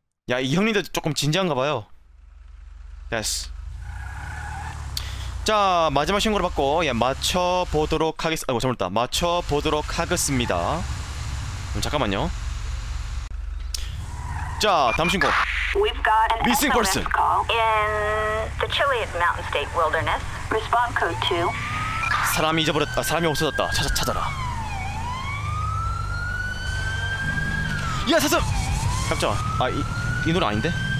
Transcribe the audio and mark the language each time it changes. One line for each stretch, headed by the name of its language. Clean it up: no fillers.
Korean: 야, 이 형님들 조금 진지한가봐요.
English: Yes.
Korean: 자, 마지막 신고를 받고, 예, 맞춰보도록 하겠습... 아이고, 잘못했다. 맞춰보도록 하겠습니다. 잠깐만요. 자, 다음 신고.
English: We've got an missing SOS person. Call in the Chilean Mountain State Wilderness. Respond code 2.
Korean: 사람이 잊어버렸다. 아, 사람이 없어졌다. 찾아라. 야, 사슴! 잠깐만. 아, 이 노래 아닌데?